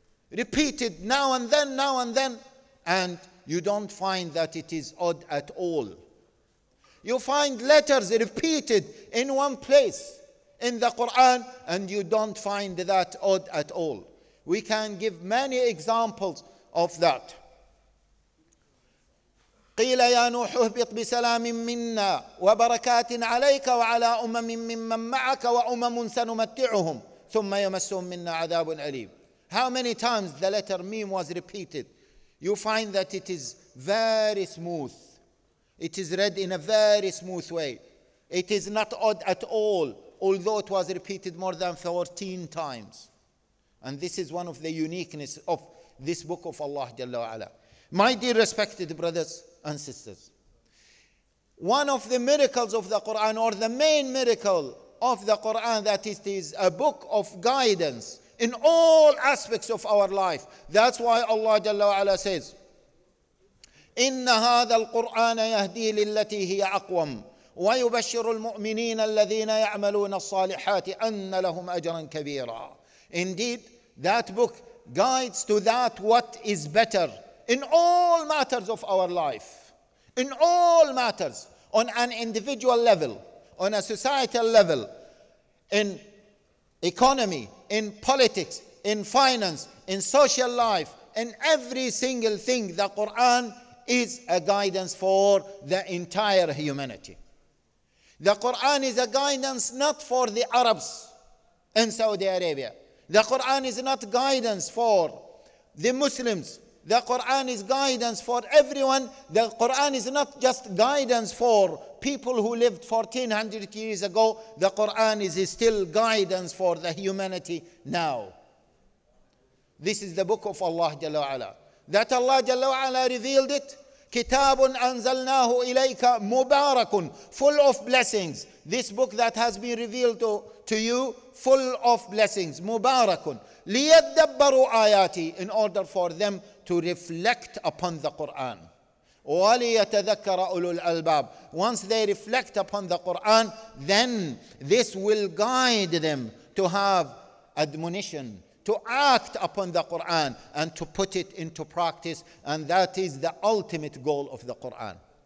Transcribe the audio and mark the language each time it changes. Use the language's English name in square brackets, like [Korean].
[English] Repeated now and then, and you don't find that it is odd at all. You find letters repeated in one place in the Quran, and you don't find that odd at all. We can give many examples of that. [Arabic] قيل يا نوح اهبط بسلام منا وبركات عليك وعلى أمم ممن معك وأمم سنمتعهم ثم يمسهم منا عذاب أليم. [English] How many times the letter mim was repeated? You find that it is very smooth. It is read in a very smooth way. It is not odd at all, although it was repeated more than 14 times. And this is one of the uniqueness of this book of Allah Jalla wa Ala. My dear respected brothers and sisters, one of the miracles of the Quran, or the main miracle of the Quran, that it is a book of guidance in all aspects of our life. That's why Allah Jalla wa Ala says, [Arabic] إِنَّ هَذَا الْقُرْآنَ يَهْدِي لِلَّتِي هِيَ أَقْوَمْ وَيُبَشِّرُ الْمُؤْمِنِينَ الَّذِينَ يَعْمَلُونَ الصَّالِحَاتِ أَنَّ لَهُمْ أَجْرًا كَبِيرًا. [English] Indeed, that book guides to that what is better in all matters of our life. In all matters, on an individual level, on a societal level, in economy, in politics, in finance, in social life, in every single thing, the Quran is a guidance for the entire humanity. The Quran is a guidance not for the Arabs in Saudi Arabia. The Quran is not guidance for the Muslims. The Quran is guidance for everyone. The Quran is not just guidance for people who lived 1400 years ago. The Quran is still guidance for the humanity now. This is the book of Allah Jalla wa Ala. That Allah Jalla wa Ala revealed it. [Arabic] كِتَابٌ أَنزَلْنَاهُ إِلَيْكَ مُبَارَكٌ [English] full of blessings. This book that has been revealed to you, full of blessings. [Arabic] مُبَارَكٌ لِيَدَّبَّرُوا آيَاتِي [English] in order for them to reflect upon the Quran. [Arabic] وَلِيَتَذَكَّرَ أُولُو الْأَلْبَابِ [English] once they reflect upon the Quran, then this will guide them to have admonition, to act upon the Quran and to put it into practice, and that is the ultimate goal of the Quran.